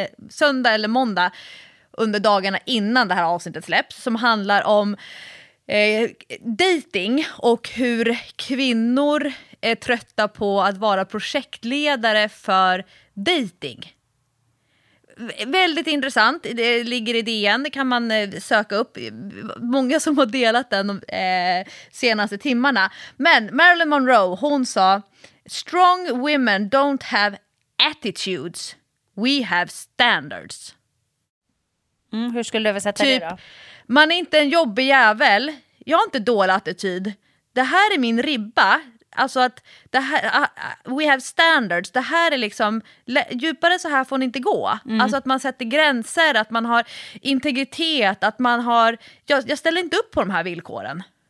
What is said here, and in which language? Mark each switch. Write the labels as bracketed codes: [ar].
[sv] söndag eller måndag under dagarna innan det här avsnittet släpps, som handlar om dating och hur kvinnor är trötta på att vara projektledare för dating. Väldigt intressant. Det ligger i DN. Det kan man söka upp. Många som har delat den de senaste timmarna. Men Marilyn Monroe, hon sa: [en] "Strong women don't have attitudes. We have standards." [sv] Mm, hur skulle du översätta typ, det då? Man är inte en jobbig jävel. Jag har inte dålig attityd. Det här är min ribba. Alltså att det här, [en] we have standards, [sv] det här är liksom djupare, så här får ni inte gå. Mm. Alltså att man sätter gränser, att man har integritet, att man har, jag ställer inte upp på de här villkoren.